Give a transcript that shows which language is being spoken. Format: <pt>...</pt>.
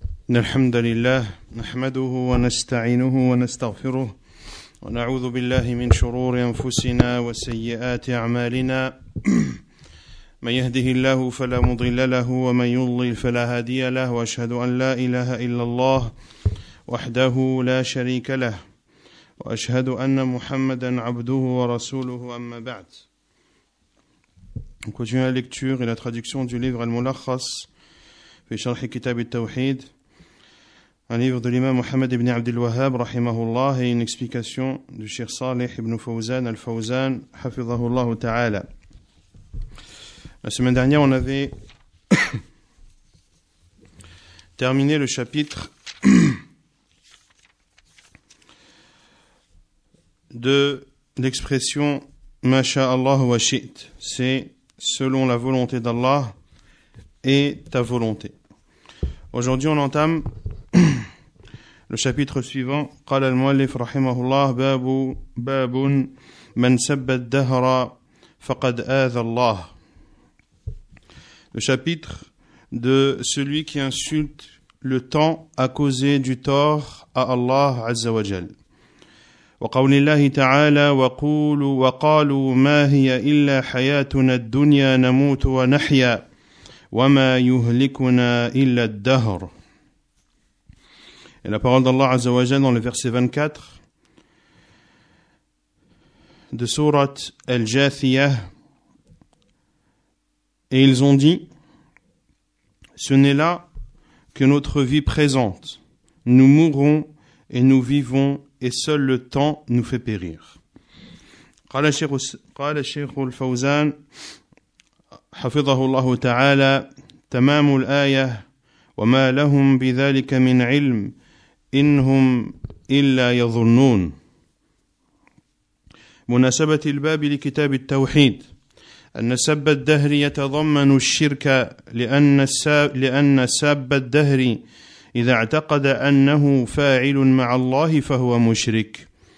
<ar>الحمد لله نحمده ونستعينه ونستغفره ونعوذ بالله من شرور أنفسنا وسيئات أعمالنا من يهده الله فلا مضل له ومن يضلل فلا هادي له وأشهد أن لا إله إلا الله وحده لا شريك له وأشهد أن محمدا عبده ورسوله أما بعد.</ar> <fr>Continuons la lecture et la traduction du livre Al-Mulakhas</fr> <ar>في شرح كتاب التوحيد.</ar> <fr>Un livre de l'imam Mohamed ibn Abdel Wahhab, rahimahullah, et une explication du Cheikh Saleh ibn Fawzan al-Fawzan, hafidhahullah ta'ala. La semaine dernière, on avait terminé le chapitre de l'expression «</fr> <ar>Masha Allah wa shi'it ».</ar> <fr>C'est « Selon la volonté d'Allah et ta volonté ». Aujourd'hui, on entame le chapitre suivant.</fr> <ar>قال المؤلف رحمه الله باب من سب الدهر فقد آذى الله.</ar> <fr>Le chapitre de celui qui insulte le temps a causé du tort à Allah عز وجل.</fr> <ar>وقول الله تعالى وقالوا ما هي إلا حياتنا الدنيا نموت ونحيا وما يهلكنا إلا الدهر.</ar> <fr>Et la parole d'Allah Azza wa Jalla dans le verset 24 de Surat Al-Jathiyah. Et ils ont dit, ce n'est là que notre vie présente. Nous mourons et nous vivons et seul le temps nous fait périr.</fr> <ar>قال الشيخ الفوزان حفظه الله تعالى تمام الآية وما لهم بذلك من علم إنهم إلا يظنون. مناسبة الباب لكتاب التوحيد أن سب الدهر يتضمن الشرك لأن سب الدهر إذا اعتقد أنه فاعل مع الله فهو مشرك.</ar>